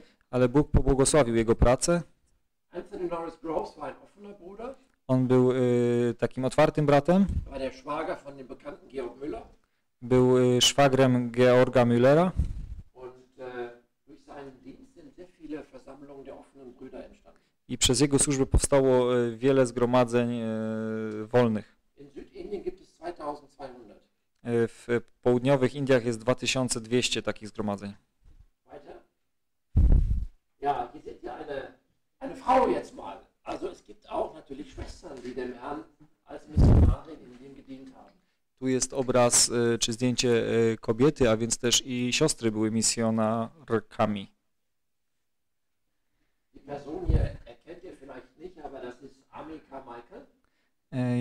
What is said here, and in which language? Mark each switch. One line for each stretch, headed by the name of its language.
Polish: ale Bóg pobłogosławił jego pracę.
German: Anthony Norris Groves war ein offener Bruder.
Polish: On był takim otwartym bratem.
German: War der Schwager von dem bekannten Georg Müller.
Polish: Był szwagrem Georga Müllera.
German: Und durch seinen Dienst sind sehr viele Versammlungen der offenen Brüder entstanden.
Polish: I przez jego służbę powstało wiele zgromadzeń wolnych.
German: In Südindien gibt es 2200.
Polish: W południowych Indiach jest 2200 takich zgromadzeń.
German: Weiter. Ja, hier seht ihr eine Frau jetzt mal. Also es gibt auch natürlich Schwestern, die dem Herrn als Missionarin in dem gedient haben.
Polish: Tu jest obraz czy zdjęcie kobiety, a więc też i siostry były misjonarkami.
German: Die Person hier erkennt ihr vielleicht nicht, aber das ist Amika Michael.